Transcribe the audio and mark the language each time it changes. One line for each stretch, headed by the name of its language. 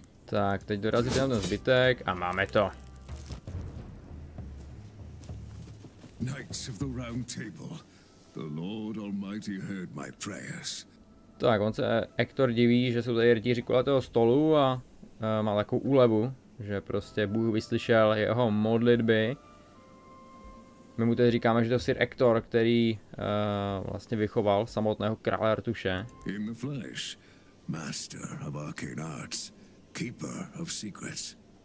Czech: Tak, teď dorazí tam ten zbytek a máme to.
English: Knights of the Round Table, the Lord Almighty heard my prayers.
Czech: Tak, on se Hector diví, že jsou tady rytíři kolem toho stolu a má takovou úlevu, že prostě Bůh vyslyšel jeho modlitby. My mu tedy říkáme, že to Sir Hector, který vlastně vychoval samotného krále Artuše.
English: In the flesh, master of arcane arts, keeper of secrets.